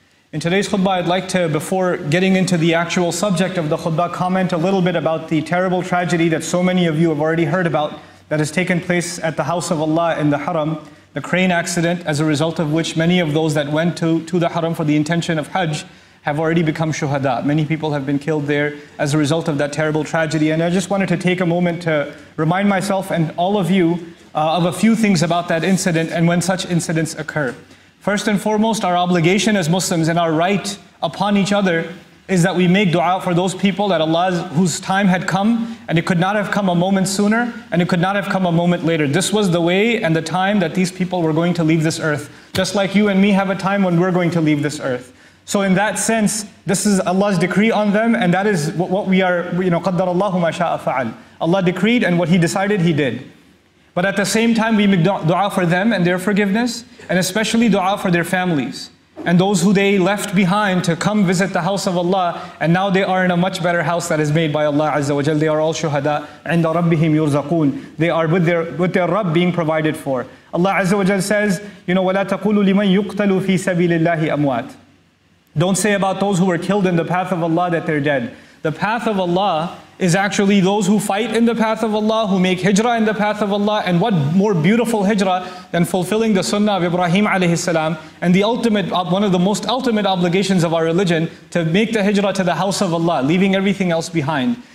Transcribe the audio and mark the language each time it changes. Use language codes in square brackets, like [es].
[en] In today's khutbah, I'd like to, before getting into the actual subject of the khutbah, comment a little bit about the terrible tragedy that so many of you have already heard about that has taken place at the house of Allah in the Haram, the crane accident, as a result of which many of those that went to the Haram for the intention of Hajj have already become shuhada. Many people have been killed there as a result of that terrible tragedy. And I just wanted to take a moment to remind myself and all of you of a few things about that incident and when such incidents occur. First and foremost, our obligation as Muslims and our right upon each other is that we make dua for those people that Allah, whose time had come, and it could not have come a moment sooner, and it could not have come a moment later. This was the way and the time that these people were going to leave this earth. Just like you and me have a time when we're going to leave this earth. So in that sense, this is Allah's decree on them, and that is what we are, you know, [ar] قَدَّرَ اللَّهُ مَا شَاءَ فَعَلْ. [en] Allah decreed, and what He decided, He did. But at the same time, we make dua for them and their forgiveness, and especially dua for their families, and those who they left behind to come visit the house of Allah, and now they are in a much better house that is made by Allah Azza wa Jal. They are all shuhada, [ar] عِنْدَ رَبِّهِمْ يُرْزَقُونَ. [en] They are with their Rabb being provided for. Allah Azza wa Jal says, you know, [ar] وَلَا تَقُولُ لِمَنْ يُقْتَلُ فِي سَبِيلِ اللَّهِ أَمْوَاتِ. [en] Don't say about those who were killed in the path of Allah that they're dead. The path of Allah is actually those who fight in the path of Allah, who make hijrah in the path of Allah. And what more beautiful hijrah than fulfilling the sunnah of Ibrahim alayhi salam, and the ultimate, one of the most ultimate obligations of our religion, to make the hijrah to the house of Allah, leaving everything else behind.